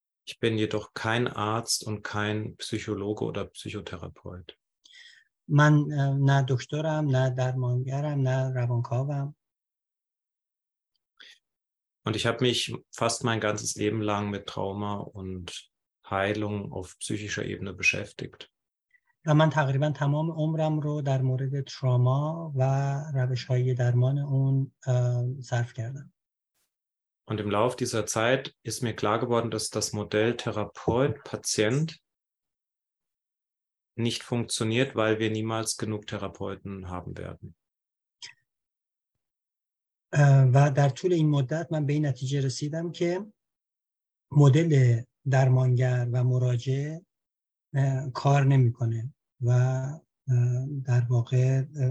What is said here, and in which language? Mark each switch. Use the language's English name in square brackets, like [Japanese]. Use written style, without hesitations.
[German] Ich bin jedoch kein Arzt und kein Psychologe oder Psychotherapeut. [Persian] من نه دکترم، نه درمانگرم، نه روانکاوم. [German] Und ich habe mich fast mein ganzes Leben lang mit Trauma und Heilung auf psychischer Ebene beschäftigt. [Persian] و من تقریبا تمام عمرم رو در مورد تروما و روش‌های درمان اون صرف کردم. [German] Und im Lauf dieser Zeit ist mir klar geworden, dass das Modell Therapeut-Patient nicht funktioniert, weil wir niemals genug Therapeuten haben werden. [Persian] و در طول این مدت من به این نتیجه رسیدم که مدل درمانگر و مراجع کار نمیکنه و در واقع